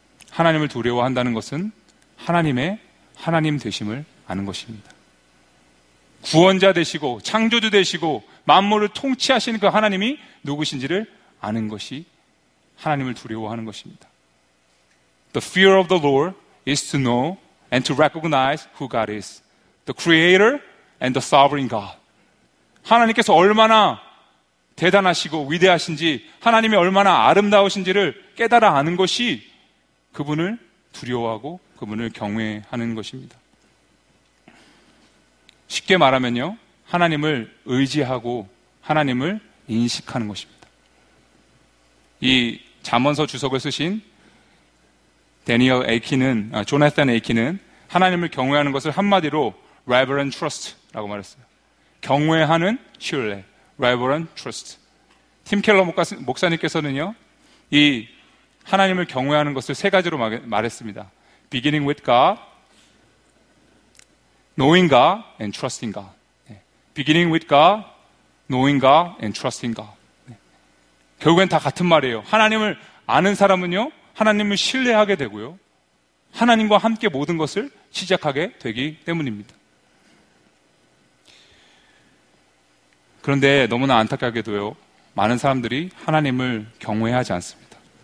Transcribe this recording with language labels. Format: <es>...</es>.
<ko>하나님을 두려워한다는 것은 하나님의 하나님 되심을 아는 것입니다. 구원자 되시고 창조주 되시고 만물을 통치하신 그 하나님이 누구신지를 아는 것이 하나님을 두려워하는 것입니다.</ko> <en>The fear of the Lord is to know and to recognize who God is, the creator and the sovereign God.</en> <ko>하나님께서 얼마나 대단하시고 위대하신지, 하나님이 얼마나 아름다우신지를 깨달아 아는 것이 그분을 두려워하고 그분을 경외하는 것입니다. 쉽게 말하면요, 하나님을 의지하고 하나님을 인식하는 것입니다. 이 잠언서 주석을 쓰신 다니엘 에이킨은, 조나탄 에이킨은 하나님을 경외하는 것을 한마디로</ko> <en>reverent trust</en> <ko>라고 말했어요. 경외하는 신뢰,</ko> <en>reverent trust.</en> <ko>팀 켈러 목사님께서는요, 이 하나님을 경외하는 것을 세 가지로 말했습니다.</ko> <en>beginning with God, knowing God and trusting God. beginning with God, knowing God and trusting God.</en> <ko>결국엔 다 같은 말이에요. 하나님을 아는 사람은요, 하나님을 신뢰하게 되고요, 하나님과 함께 모든 것을 시작하게 되기 때문입니다. 그런데 너무나 안타깝게도요, 많은 사람들이 하나님을 경외하지 않습니다.</ko>